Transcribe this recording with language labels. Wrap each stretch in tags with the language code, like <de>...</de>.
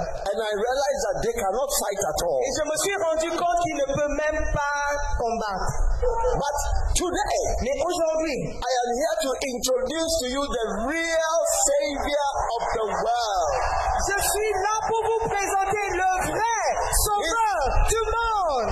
<en>And I realized that they cannot fight at all.</en> <fr>Et je me suis rendu compte qu'ils ne peuvent même pas combattre.</fr> <en>But today,</en> <fr>mais aujourd'hui,</fr> <en>I am here to introduce to you the real savior of the world.</en> <fr>Je suis là pour vous présenter le vrai sauveur du monde.</fr>